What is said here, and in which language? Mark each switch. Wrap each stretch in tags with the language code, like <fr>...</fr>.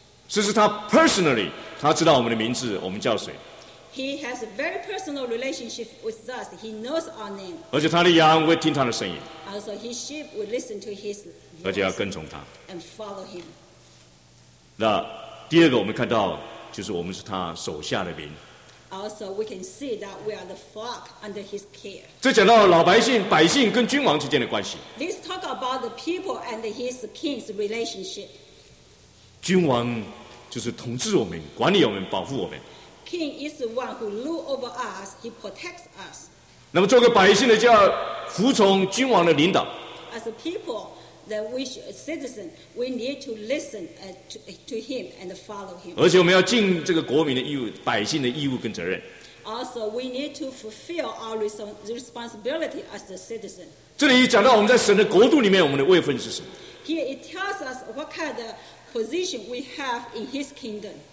<zh>这是他 personally， 他知道我们的名字，我们叫谁。</zh> <en>He has a very personal relationship with us. He knows our name.</en> <zh>而且他的羊会听他的声音。</zh> <en>Also, his sheep will listen to his voice.</en> <zh>而且要跟从他。</zh> <en>And follow him.</en> <zh>那第二个，我们看到就是我们是他手下的民。</zh> <en>Also, we can see that we are the flock under his care.</en> <zh>这讲到老百姓、百姓跟君王之间的关系。</zh> <en>Let's talk about the people and his king's relationship.</en> <zh>君王就是统治我们、管理我们、保护我们。</zh> <en>King is the one who rules over us. He protects us.</en> <zh>那么，做个百姓的就要服从君王的领导。</zh> <en>As a people, that we should, a citizen, we need to listen to him and follow him.</en> <zh>而且，我们要尽这个国民的义务、百姓的义务跟责任。</zh> <en>Also, we need to fulfill our responsibility as a citizen.</en> <zh>这里讲到我们在神的国度里面，我们的位分是什么</zh> <en>？Here it tells us what kind of position we have in His kingdom.</en>